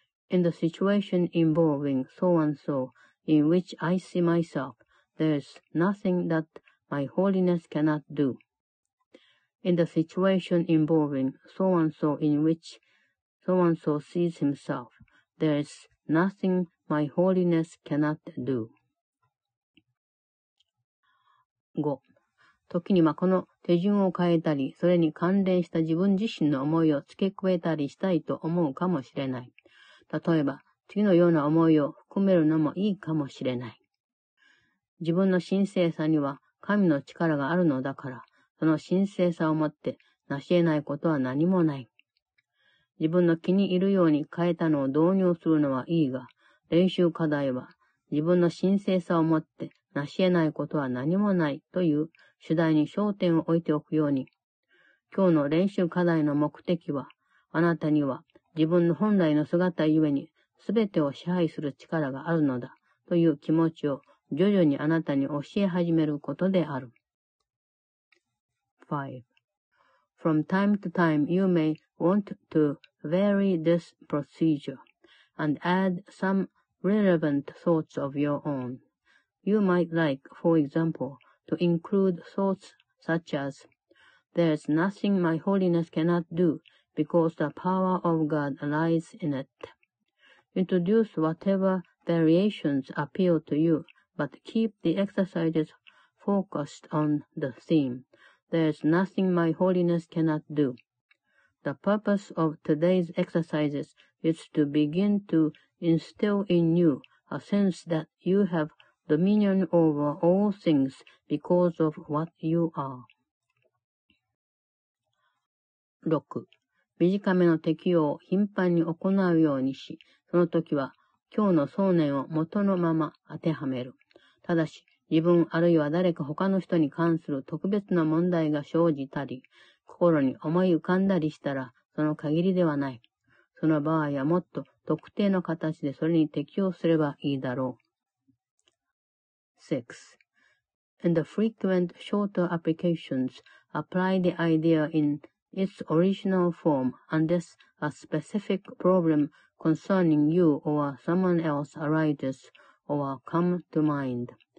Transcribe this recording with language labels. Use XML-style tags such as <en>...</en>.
<en>In the situation involving so-and-so in which I see myself, there is nothing that my holiness cannot do. In the situation involving so-and-so in whichso-and-so sees himself. There is nothing my holiness cannot do.</en> <ja>5. 時にはこの手順を変えたり、それに関連した自分自身の思いを付け加えたりしたいと思うかもしれない。例えば、次のような思いを含めるのもいいかもしれない。自分の神聖さには神の力があるのだから、その神聖さをもって成し得ないことは何もない。自分の気に入るように変えたのを導入するのはいいが、練習課題は自分の神聖さをもって成し得ないことは何もないという主題に焦点を置いておくように、今日の練習課題の目的は、あなたには自分の本来の姿ゆえに全てを支配する力があるのだという気持ちを徐々にあなたに教え始めることである。</ja> <en>5. From time to time you may want to vary this procedure and add some relevant thoughts of your own. You might like, for example, to include thoughts such as, There's nothing my holiness cannot do because the power of God lies in it. Introduce whatever variations appeal to you, but keep the exercises focused on the theme. There's nothing my holiness cannot do. The purpose of today's exercises is to begin to instill in you a sense that you have dominion over all things because of what you are.</en> <ja>6. 短めの適用を頻繁に行うようにし、その時は今日の想念を元のまま当てはめる。ただし、自分あるいは誰か他の人に関する特別な問題が生じたり、心に思い浮かんだりしたら、その限りではない。その場合はもっと特定の形でそれに適応すればいいだろう。</ja> <en>6. In the frequent shorter applications, apply the idea in its original form unless a specific problem concerning you or someone else arises or come to mind.</en>